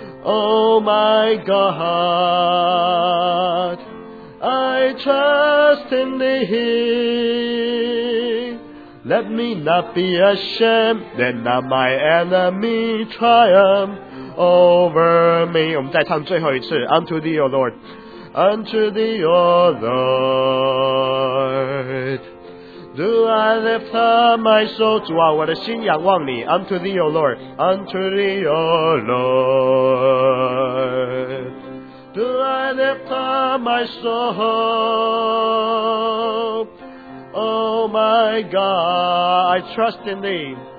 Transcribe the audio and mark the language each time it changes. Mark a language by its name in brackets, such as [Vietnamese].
[English] O my God, I trust in Thee. Let me not be ashamed, let not my enemy triumph over me. [Chinese] 我们再唱最后一次 [English] Unto Thee, O Lord. unto thee, O Lord. Do I lift up my soul to all, [Chinese] 我的心仰望你 [English] unto thee, O Lord. Unto thee, O Lord. Do I lift up my soul, O my God, I trust in thee.